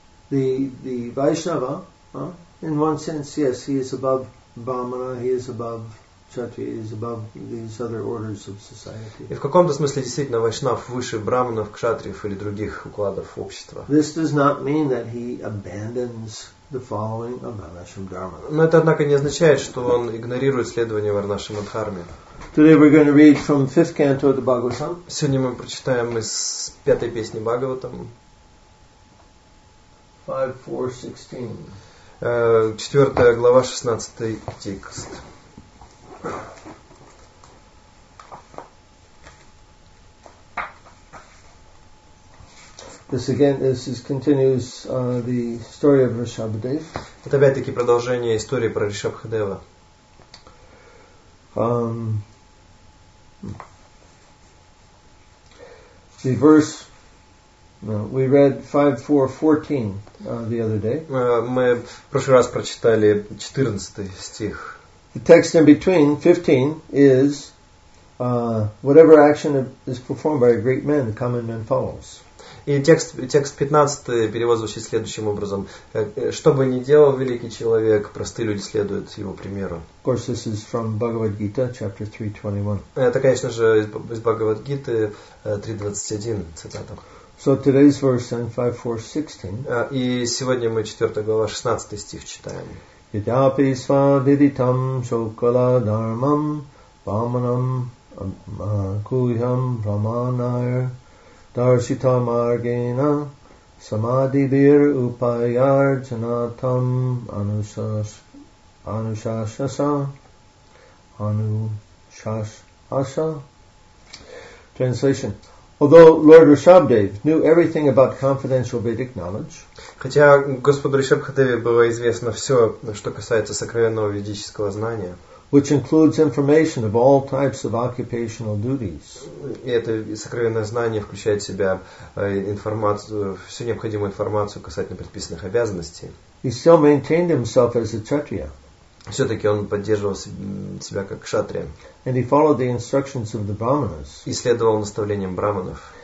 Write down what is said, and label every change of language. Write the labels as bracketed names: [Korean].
[English] But the Vaishnava, in one sense, yes, he is above Brahmana, he is above Kshatriya, he is above these other orders of society. [Russian] И в каком-то смысле действительно Вайшнав выше Брахманов, Кшатриев или других укладов общества. [English] This does not mean that he abandons the following of Varnashram Dharma. [Russian] Но это, однако, не означает, что он игнорирует следование Варнашрама Дхарме. [English] Today we're going to read from the fifth canto of the Bhagavatam. [Russian] Сегодня мы прочитаем из пятой песни Бхагаватам. [English] 5.4.16. [Russian] Четвертая глава, 16 текст. [English] This again, this is continues the story of Rishabhadev. [Russian] Это опять-таки продолжение истории про Ришабхадева. [English] The verse we read 5.4.14 the other day. [Russian] Мы в прошлый раз прочитали 14 стих. [English] The text in between 15 is whatever action is performed by a great man, the common man follows. [Russian] И текст 15 перевод звучит следующим образом. Что бы ни делал великий человек, простые люди следуют его примеру. [English] Of course, this is from Bhagavad Gita, chapter 3.21. [Russian] Это, конечно же, из Бхагавад Гиты 3.21, цитата. [English] So today's verse, 5.4.16. [Russian] И сегодня мы 4 глава, 16 стих читаем. [Sanskrit] Yadapi svaviditam shokala dharmam vamanam kuyam ramanayar Darshita margena samadivir upayar janatam anushashasa. [English] Translation. Although Lord Rishabhadev knew everything about confidential Vedic knowledge, [Russian] хотя Господу Ришабхадеве было известно все, что касается сокровенного ведического знания, [English] which includes information of all types of occupational duties. [Russian] И это сокровенное знание включает в себя информацию, всю необходимую информацию касательно предписанных обязанностей. [English] He still maintained himself as a kshatriya. [Russian] Все-таки он поддерживал себя как кшатрия. [English] And he followed the instructions of the brahmanas. [Russian] И следовал наставлениям брахманов.